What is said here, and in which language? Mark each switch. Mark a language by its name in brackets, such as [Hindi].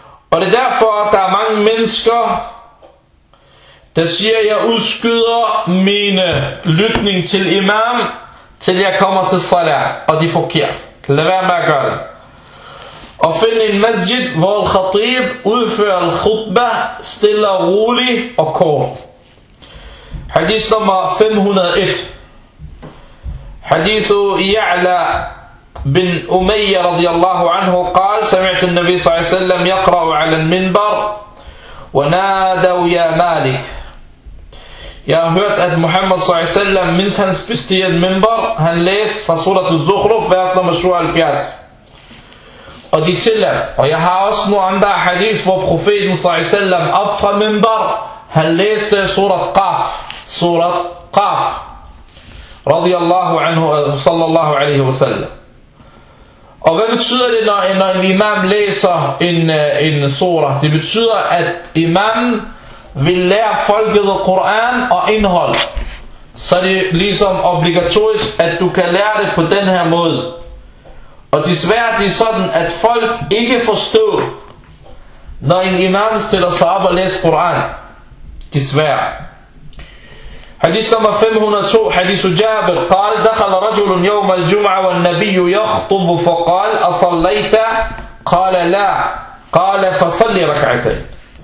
[Danish] Og det er derfor, at der er mange mennesker, der siger, at jeg udskyder min lytning til imam, til jeg kommer til salat, og de er forkert. Lad være med at gøre det. Og finde en masjid, hvor al-khatib udfører al-khutbah stille og roligt og kort. Hadith nummer 501. [Arabic] Hadith Ya'la bin Umayya radiyallahu anhu قال سمعت النبي صلى الله عليه وسلم يقرأ على المنبر ونادوا يا مالك. [Danish] Jeg har hørt, at Muhammad صلى الله عليه وسلم, mens han spiste i en minbar, han læste fra surat al-Zukhruf, vers nummer 77. Og de tillader, og jeg har også nogle andre hadith, hvor profeten صلى الله عليه وسلم op fra minbar, han læste surat Qaf. Surat Qaf radiyallahu anhu sallallahu alaihi wa sallam. Og hvad betyder det, når en imam læser en surah? Det betyder, at imamen vil lære folket Koran og indhold. Så det er ligesom obligatorisk, at du kan lære det på den her måde. Og desværre det er sådan, at folk ikke forstår, når en imam stiller sig op og læser Koran. Desværre. Hadith nummer 502, [Arabic] hadith Jabir, قال دخل رجل يوم الجمعة والنبي يخطب فقال أصليت قال لا قال فصلي ركعتين.